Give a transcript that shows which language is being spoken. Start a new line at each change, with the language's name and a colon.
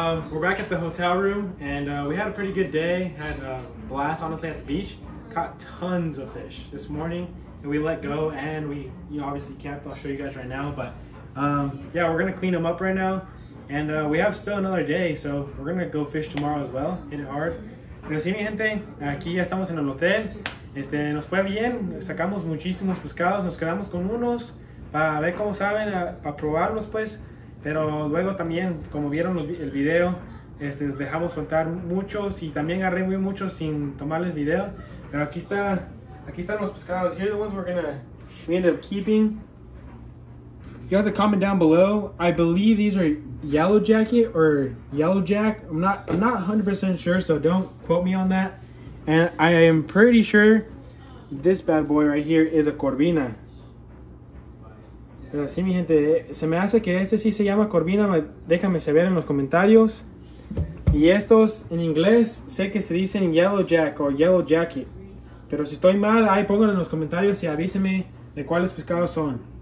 English: We're back at the hotel room, and we had a pretty good day. Had a blast, honestly, at the beach. Caught tons of fish this morning, and we let go, and we obviously camped. I'll show you guys right now, but yeah, we're gonna clean them up right now, and we have still another day, so we're gonna go fish tomorrow as well. Hit it hard.
Spanish: Pero sí, mi gente, aquí ya estamos en el hotel. Nos fue bien. Sacamos muchísimos pescados. Nos quedamos con unos para ver cómo saben, para probarlos, pues. Pero luego también, como vieron el video, dejamos soltar muchos y también agarré muy muchos sin tomarles video. Pero aquí están los pescados.
English: Here are the ones we ended up keeping. You have to comment down below. I believe these are yellow jacket or yellow jack. I'm not 100% sure, so don't quote me on that. And I am pretty sure this bad boy right here is a corvina.
Spanish: Pero sí, mi gente, se me hace que este sí se llama corvina. Déjame saber en los comentarios. Y estos en inglés sé que se dicen yellow jack o yellow jacket. Pero si estoy mal, ahí pónganlo en los comentarios y avíseme de cuáles pescados son.